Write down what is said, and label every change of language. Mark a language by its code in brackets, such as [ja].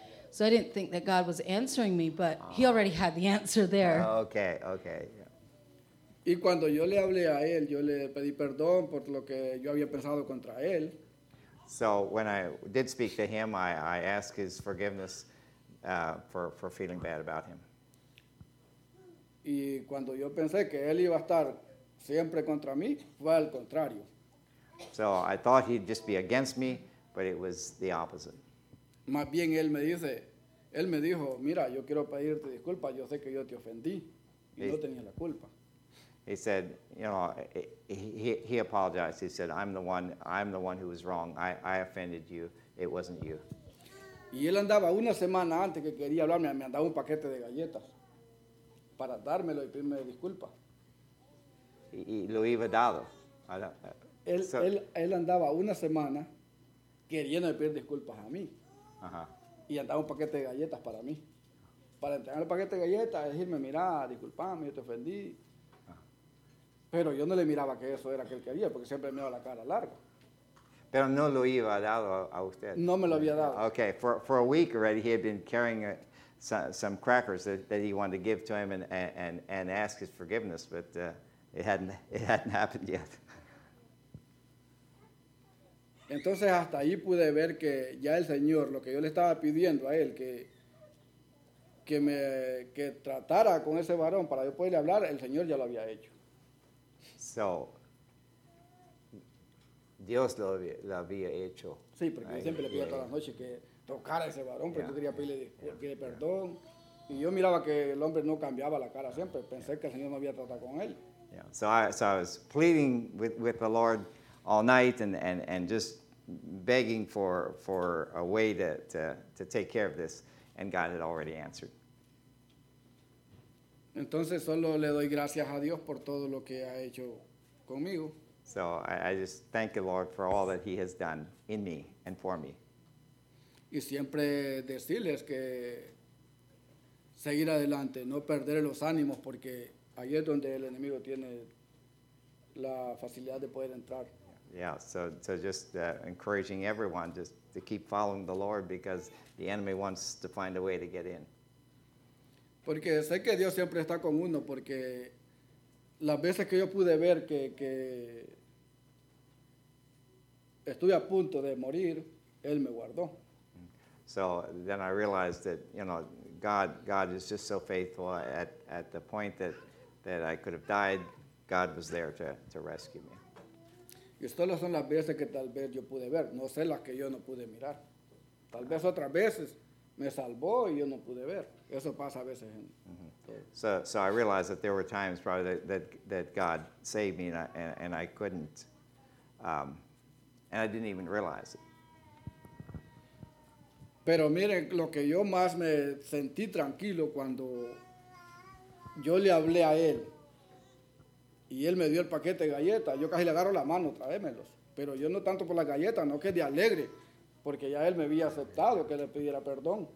[en] So I didn't think that God was answering me, but he already had the answer there. Okay, okay. [es] Y cuando yo le hablé a él, yo le pedí perdón por lo que yo había pensado contra él. [en] So when I did speak to him, I asked his forgiveness for feeling bad about him. [es] Y cuando yo pensé que él iba a estar siempre contra mí, fue al contrario. [en] So I thought he'd just be against me, but it was the opposite. [es] Más bien él me dice, él me dijo, mira, yo quiero pedirte disculpas, yo sé que yo te ofendí y no tenía la culpa. [en] He said, you know, he apologized. He said, I'm the one who was wrong. I offended you. It wasn't you. [es] Y él andaba una semana antes que quería hablarme, me andaba un paquete de galletas para dármelo y pedirme disculpas. Y lo iba dado. Él andaba una semana queriendo pedir disculpas a mí. Uh-huh. Y andaba un paquete de galletas para mí. Para entregar el paquete de galletas, decirme, mira, disculpame, yo te ofendí. Pero yo no le miraba que eso era que él quería, porque siempre me daba la cara larga. Pero no lo iba a dar a usted. No me lo había dado. [en] Okay, for a week already, he had been carrying some crackers that he wanted to give to him and ask his forgiveness, but it hadn't happened yet. [es] Entonces hasta ahí pude ver que ya el Señor, lo que yo le estaba pidiendo a él, que tratara con ese varón para yo poderle hablar, el Señor ya lo había hecho. So, Dios lo había hecho. Sí, porque yo siempre le pido todas las noches que tocara a ese varón, porque yo quería pedirle perdón. Y yo miraba que el hombre no cambiaba la cara siempre. Pensé que el Señor no había tratado con él. [en] So I was pleading with the Lord all night and just begging for a way to take care of this, and God had already answered. [es] Entonces solo le doy gracias a Dios por todo lo que ha hecho conmigo. [en] So I just thank the Lord for all that he has done in me and for me. [es] Y siempre decirles que seguir adelante, no perder los ánimos, porque ahí es donde el enemigo tiene la facilidad de poder entrar. [en] Yeah, so just encouraging everyone just to keep following the Lord, because the enemy wants to find a way to get in. [es] Porque sé que Dios siempre está con uno, porque las veces que yo pude ver que estuve a punto de morir, él me guardó. [en] So then I realized that, you know, God is just so faithful. At the point that I could have died, God was there to rescue me. [es] Y solo son las veces que tal vez yo pude ver. No sé las que yo no pude mirar. Tal vez otras veces me salvó y yo no pude ver. Eso pasa a veces. [en] So I realized that there were times probably that God saved me and I couldn't. And I didn't even realize it. [es] Pero miren, lo que yo más me sentí tranquilo cuando yo le hablé a él. Y él me dio el paquete de galletas. Yo casi le agarro la mano, tráemelos. Pero yo no tanto por las galletas, no, que de alegre. Porque ya él me había aceptado que le pidiera perdón.